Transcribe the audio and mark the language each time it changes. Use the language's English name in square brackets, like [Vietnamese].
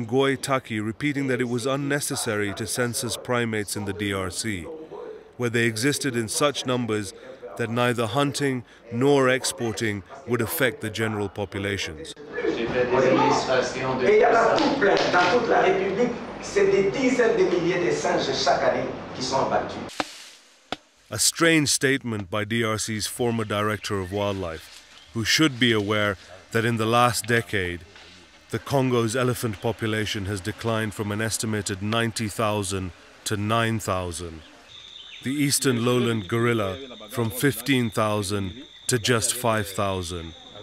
[English] Ngoy Taki repeating that it was unnecessary to census primates in the DRC, where they existed in such numbers that neither hunting nor exporting would affect the general populations. [French] Et il y en a tout plein dans toute la République. C'est des dizaines de milliers de singes chaque année qui sont abattus. [English] A strange statement by DRC's former director of wildlife, who should be aware that in the last decade, the Congo's elephant population has declined from an estimated 90,000 to 9,000. The eastern lowland gorilla from 15,000 to just 5,000.